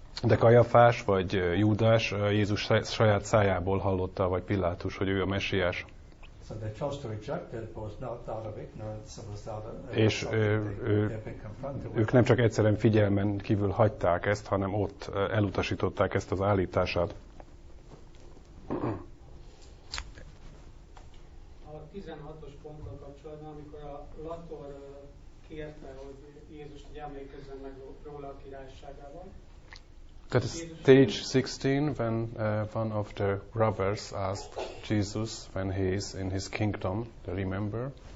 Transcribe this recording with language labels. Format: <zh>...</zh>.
<hu>De Kajafás vagy Júdás Jézus saját szájából hallotta, vagy Pilátus, hogy ő a Messiás.</hu> <en>So they chose to reject it, but was not out of ignorance, it was out of something they've been confronted with.</en> <hu>Ők nem csak egyszerűen figyelmen kívül hagyták ezt, hanem ott elutasították ezt az állítását. 16-os ponttal kapcsolatban, amikor a Lator kérte, hogy Jézust emlékezzen meg róla a királyságában.</hu> <en>That is stage 16, when one of the robbers asked Jesus, when he is in his kingdom, to remember.</en>